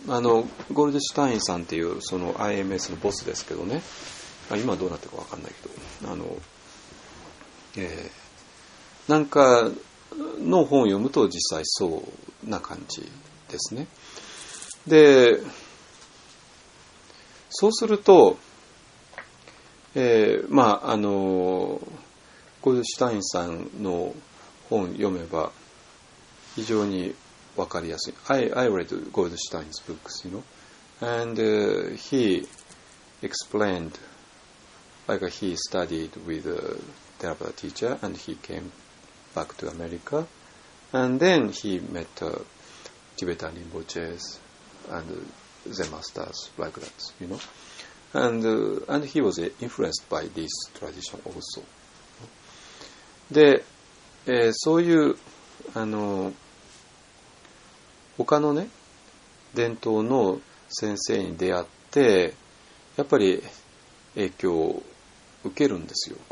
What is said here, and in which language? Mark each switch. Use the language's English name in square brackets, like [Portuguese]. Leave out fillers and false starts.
[Japanese] ゴールデシュタインさんっていうその IMS のボスですけどね、今どうなってるか分かんないけど、なんかの本を読むと実際そうな感じですね。で、そうすると、まあ、ゴールデシュタインさんの本読めば非常に分かりやすい。 [English] I read Goldstein's books, you know, and he explained, like he studied with a Theravada teacher, and he came back to America, and then he met Tibetan Rinpoches and Zen masters like that, you know, and he was influenced by this tradition also. [Japanese] で、そういう他のね、伝統の先生に出会って、やっぱり影響を受けるんですよ。